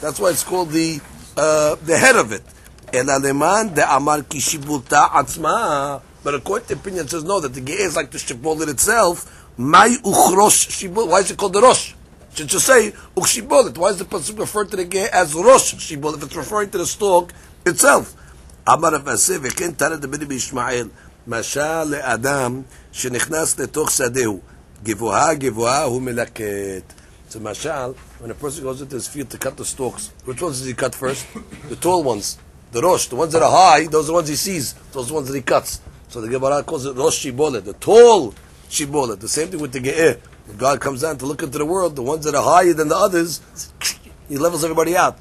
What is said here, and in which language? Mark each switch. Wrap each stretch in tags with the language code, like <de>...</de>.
<en>That's why it's called the head of it.</en> <arc>Ela leman de amar ki shibolta atzma.</arc> <en>But according to opinion, it says no, that the ge'e is like the shibolet itself.</en> <arc>Mai uchrosh shibolet.</arc> <en>Why is it called the rosh? It should just say uch shibolet. Why is the pasuk refer to the ge'e as rosh shibolet if it's referring to the stalk itself?</en> <arc>Amar Rav Aseh, v'ken tana de b'nei b'Yishmael.</arc> <he>משל לאדם שנכנס לתוך שדהו, גבוהה גבוהה הוא מלקט.</he> <en>So, mashal, when a person goes into his field to cut the stalks, which ones does he cut first? The tall ones, the rosh, the ones that are high, those are the ones he sees, those are the ones that he cuts. So the Gemara calls it rosh shibolet, the tall shibolet. The same thing with the ge'eh. When God comes down to look into the world, the ones that are higher than the others, he levels everybody out.</en>